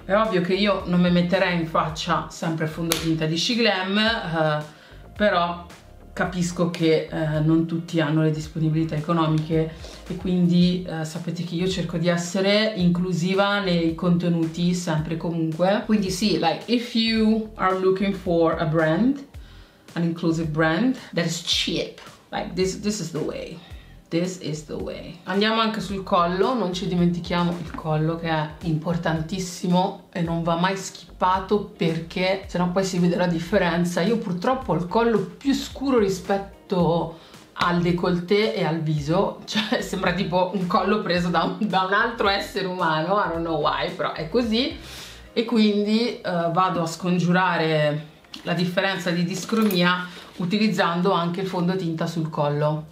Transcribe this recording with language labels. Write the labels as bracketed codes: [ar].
[it] È ovvio che io non mi metterei in faccia sempre fondotinta di She Glam, però capisco che non tutti hanno le disponibilità economiche, e quindi sapete che io cerco di essere inclusiva nei contenuti sempre e comunque. Quindi sì, [en] like, if you are looking for a brand, an inclusive brand that is cheap, like this is the way, this is the way. [it] Andiamo anche sul collo, non ci dimentichiamo il collo che è importantissimo e non va mai skippato, perché sennò poi si vede la differenza. Io purtroppo ho il collo più scuro rispetto al décolleté e al viso, cioè sembra tipo un collo preso da un altro essere umano, [en] I don't know why, [it] però è così, e quindi vado a scongiurare la differenza di discromia utilizzando anche il fondotinta sul collo.